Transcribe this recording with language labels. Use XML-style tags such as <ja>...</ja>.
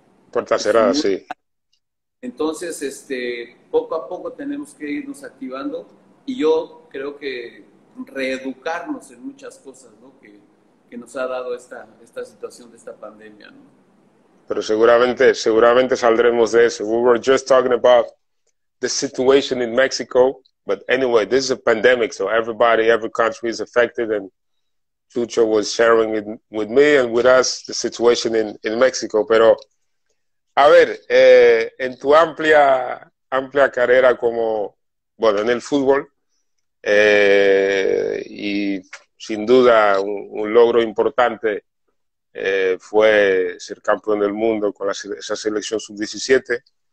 <es>Puerta es cerrada, muy. sí. Entonces, poco a poco tenemos que irnos activando y yo creo que reeducarnos en muchas cosas, ¿no? Que nos ha dado esta situación de esta pandemia, ¿no? Pero seguramente saldremos de eso.</es> <en>We were just talking about the situation in Mexico, but anyway, this is a pandemic, so every country is affected, and Chucho was sharing it with me and with us the situation in Mexico.</en> <es>Pero, a ver, en tu amplia carrera como, bueno, en el fútbol, y sin duda un logro importante fue ser campeón del mundo con esa selección sub-17.</es>